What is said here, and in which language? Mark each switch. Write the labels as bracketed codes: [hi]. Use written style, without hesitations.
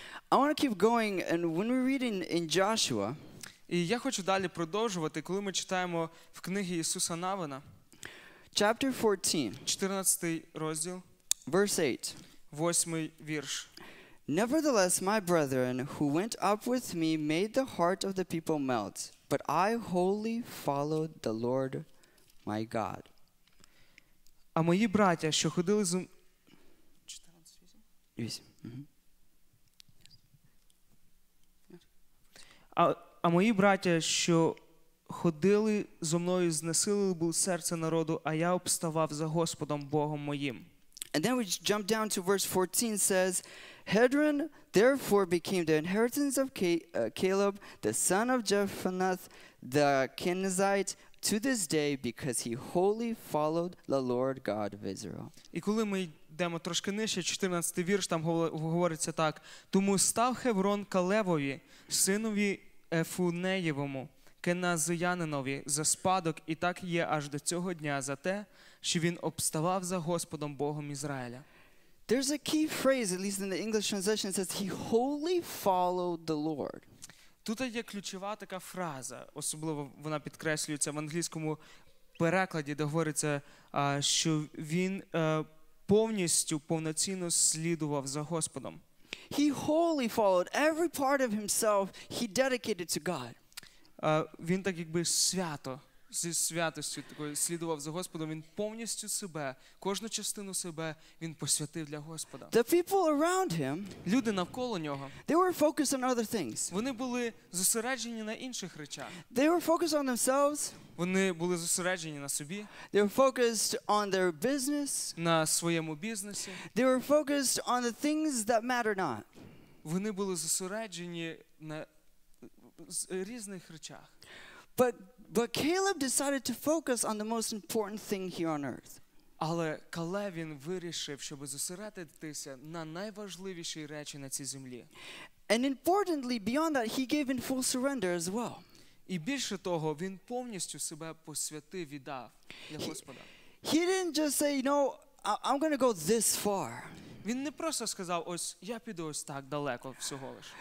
[en] I want to keep going, and when we read in Joshua, [uk] і я хочу далі продовжувати, коли ми читаємо в книгі Ісуса Навина, [en] chapter 14, [uk] 14 розділ, [en] verse 8, [uk] 8 вірш. [en] Nevertheless, my brethren, who went up with me, made the heart of the people melt, but I wholly followed the Lord my God. [uk] А мої браття, що ходили з 14, 8? 8. [en] Mm-hmm. [uk] А мої браття, що ходили зо мною, знесилили було серце народу, а я обставав за Господом Богом моїм. [en] And then we jump down to verse 14, says, Hebron therefore became the inheritance of Caleb, the son of Jephunneh, the Kenizzite, to this day, because he wholly followed the Lord God of Israel. [uk] І коли ми йдемо трошки нижче, 14 вірш, там говориться так, тому став Хеврон Калевові, синові Ефунеєвому, Кеназіянинові, за спадок, і так є аж до цього дня, за те, що він обставав за Господом Богом Ізраїля. [en] There's a key phrase, at least in the English translation, it says, he wholly followed the Lord. [uk] Тут є ключова така фраза, особливо вона підкреслюється в англійському перекладі, де говориться, що він повністю, повноцінно слідував за Господом. [en] He wholly followed every part of himself he dedicated to God. [uk] Він так якби свято, зі святостю такою слідував за Господом, він повністю себе, кожну частину себе він посвятив для Господа. [en] The people around him, [uk] люди навколо нього, [en] they were focused on other things. [uk] Вони були зосереджені на інших речах. [en] They were focused on themselves. [uk] Вони були зосереджені на собі. [en] They were focused on their business. [uk] На своєму бізнесі. [en] They were focused on the things that matter not. [uk] Вони були зосереджені на різних речах. [en] But Caleb decided to focus on the most important thing here on earth. [uk] Але Калев він вирішив, щоб зосередитися на найважливішій речі на цій землі. [en] And importantly, beyond that, he gave in full surrender as well. [uk] І більше того, він повністю себе посвятив, віддав для Господа. [en] He didn't just say, you know, I'm going to go this far. [uk] Він не просто сказав, ось я піду ось так далеко всього лиш.